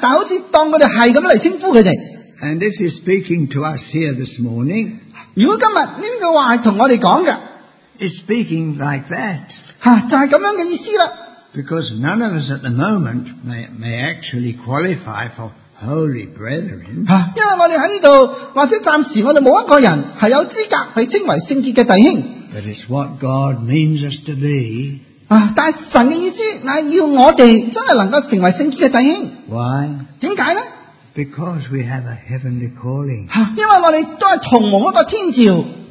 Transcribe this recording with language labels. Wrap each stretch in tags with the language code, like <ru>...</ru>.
<zh>但圣经里面有时会这样称呼一些东西,好像他们其实不是的,但好像当他们是这样来称呼他们。</zh> <en>And if he's speaking to us here this morning,</en> <zh>如果今天这个话是跟我们说的,</zh> <en>he's speaking like that.</en> <zh>就是这样的意思了。</zh> <en>Because none of us at the moment may actually qualify for holy brethren.</en> <zh>因为我们在这里,或者暂时我们没有一个人是有资格被称为圣洁的弟兄。</zh> <en>But it's what God means us to be.</en> <zh>但神的意思,要我们真的能够成为圣洁的弟兄。</zh> <en>Why?</en> <zh>为什么呢?</zh> <en>Because we have a heavenly calling.</en> <zh>因为我们都是同蒙一个天召。</zh>